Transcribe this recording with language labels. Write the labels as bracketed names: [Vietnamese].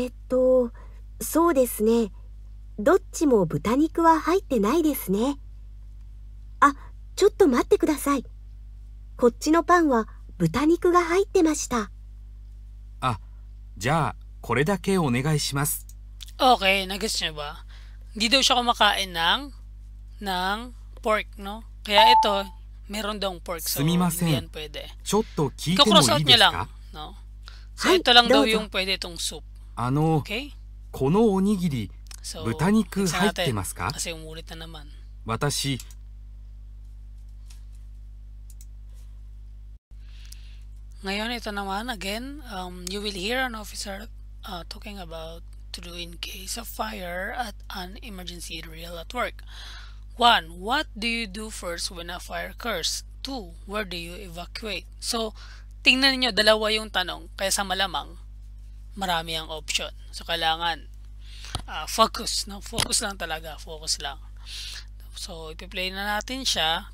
[Japanese] そうですね。どっちも豚肉は入ってないですね。あ、ちょっと待ってください。こっちのパンは豚肉が入ってました。あ、じゃあこれだけお願いします。 OK、なげしねば。 [Filipino] Di daw siya kumakain ng pork, no? Kaya ito... Meron dong pork, so yan pwede. [Japanese] Chotto kiite mo ii desu ka? [Filipino] No? So ito lang daw yung pwede itong soup. [Japanese] Ano, okay? Kono onigiri, butaniku haitte masu ka? [Filipino] Kasi umulit na naman. [Japanese] Watashi. [Filipino] Ngayon ito naman, [English] again, you will hear an officer talking about to do in case of fire at an emergency drill at work. 1. What do you do first when a fire occurs? [Filipino] 2. [English] Where do you evacuate? [Filipino] So, tingnan niyo dalawa yung tanong. Kaya sa malamang, marami ang option. So, kailangan focus. No? Focus lang talaga. Focus lang. So, ipiplay na natin siya.